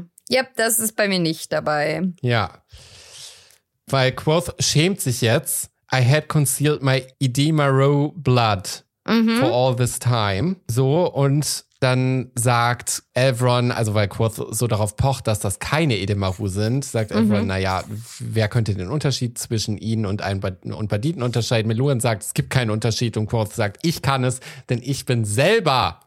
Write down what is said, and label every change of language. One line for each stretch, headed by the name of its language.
German: Yep, das ist bei mir nicht dabei. Ja. Weil Quoth schämt sich jetzt.
English: I had concealed my Edemaru Blood for all this time.
German: So, und dann sagt Elrond, also weil Quoth so darauf pocht, dass das keine Edemaru sind, sagt Elrond, naja, wer könnte den Unterschied zwischen ihnen und Banditen unterscheiden? Meluen sagt, es gibt keinen Unterschied und Quoth sagt, ich kann es, denn ich bin selber